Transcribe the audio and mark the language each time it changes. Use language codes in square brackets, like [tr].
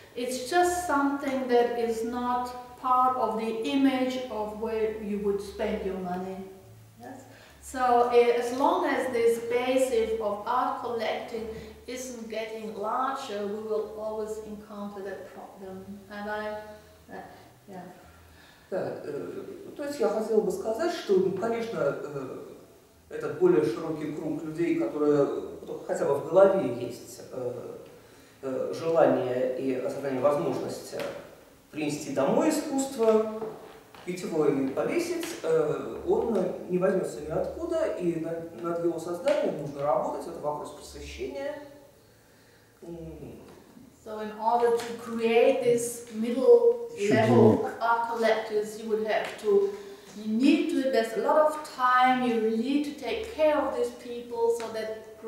[en] It's just something that is not part of the image of where you would spend your money. Yes. So as long as this basis of art collecting isn't getting larger, we will always encounter that problem. And I, yeah. [ru] Да, то есть я хотела бы сказать, что, ну, конечно, этот более широкий круг людей, которые хотя бы в голове есть желание и осознание возможности принести домой искусство, пить его и повесить, он не возьмется ниоткуда, и над его созданием нужно работать, это вопрос просвещения. [en] So in order to create this middle level art collectors, you would have to, you need to invest a lot of time, you need to take care of these people so that